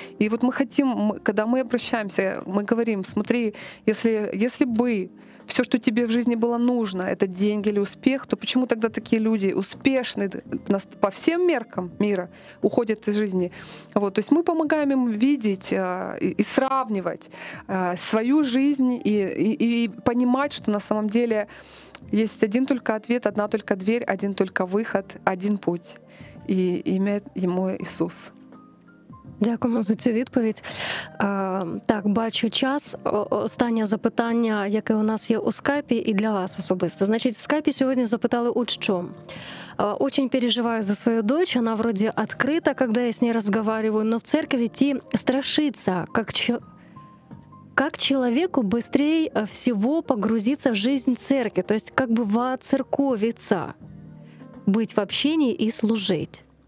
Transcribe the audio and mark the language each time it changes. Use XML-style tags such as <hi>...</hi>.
<ru>И вот мы хотим, когда мы обращаемся, мы говорим, смотри, если бы все, что тебе в жизни было нужно, это деньги или успех, то почему тогда такие люди успешны по всем меркам мира уходят из жизни? Вот, то есть мы помогаем им видеть и сравнивать свою жизнь и понимать, что на самом деле есть один только ответ, одна только дверь, один только выход, один путь. И имя ему Иисус.</ru> <uk>Дякуємо за цю відповідь. Так, бачу час. Останнє запитання, яке у нас є у скайпі, і для вас особисто. Значить, в скайпі сьогодні запитали от що.</uk> <ru>Очень переживаю за свою дочь, она вроде открыта, когда я с ней разговариваю, но в церкви ті страшиться, как человеку быстрее всего погрузиться в жизнь церкви, то есть как бы воцерковиться, быть в общении и служить.</ru>